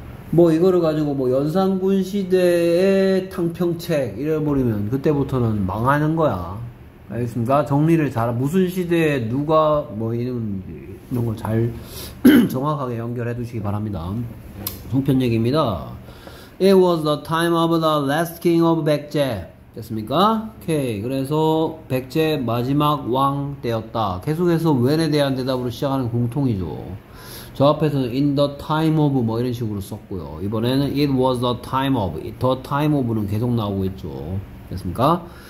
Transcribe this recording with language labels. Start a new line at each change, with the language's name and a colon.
Korean: 뭐 이거를 가지고 뭐 연산군 시대의 탕평책 이래버리면 그때부터는 망하는 거야. 알겠습니다. 정리를 잘, 무슨 시대에 누가 뭐 이런 걸 잘 정확하게 연결해 두시기 바랍니다. 송편 얘기입니다.
English: It was the time of the last king of 백제.
Korean: 됐습니까? 오케이. 그래서 백제 마지막 왕 때였다. 계속해서 when에 대한 대답으로 시작하는 공통이죠. 저 앞에서는
English: in the time of
Korean: 뭐 이런 식으로 썼고요. 이번에는
English: it was the time of.
Korean: The time of는 계속 나오고 있죠. 됐습니까?